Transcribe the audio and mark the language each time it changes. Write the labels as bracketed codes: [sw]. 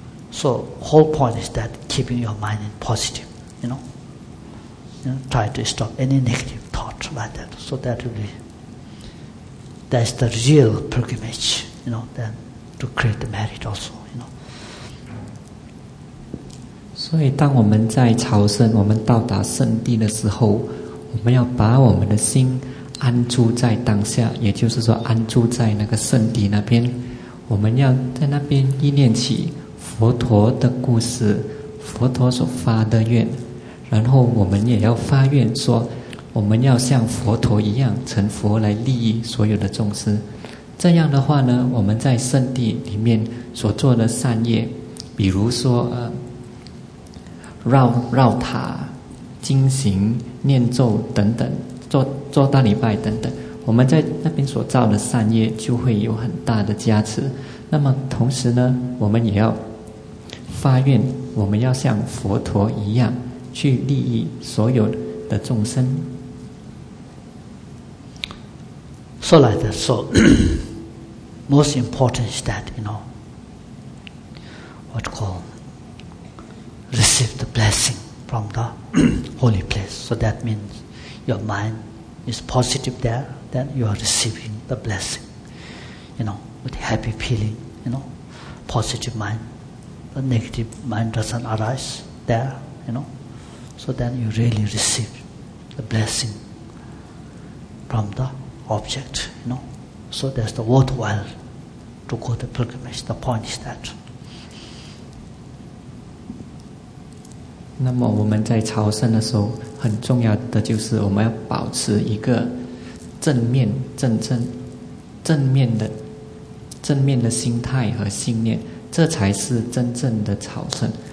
[en] So whole point is that keeping your mind in positive, you know, try to stop any negative thought like that. So that will be, that's the real pilgrimage, you know, then to create the merit also, you know. [zh] 所以当我们在朝圣，我们到达圣地的时候，我们要把我们的心安住在当下，也就是说安住在那个圣地那边，我们要在那边意念起佛陀的故事，佛陀所发的愿，然后我们也要发愿说我们要像佛陀一样成佛来利益所有的众生。这样的话呢，我们在圣地里面所做的善业，比如说绕塔经行念咒等等，做大礼拜等等，我们在那边所造的善业就会有很大的加持。那么同时呢，我们也要发愿我们要像佛陀一样去利益所有的众生。 [en] So like that, so most important is that, you know, what you call, receive the blessing from the holy place. So that means your mind is positive there, then you are receiving the blessing, you know, with happy feeling, you know, positive mind. The negative mind doesn't arise there, you know. So then you really receive the blessing from the object, you know. So that's the worthwhile to go to the pilgrimage. The point is that. [zh] 那么我们在朝圣的时候，很重要的就是我们要保持一个正面的心态和信念，这才是真正的朝圣。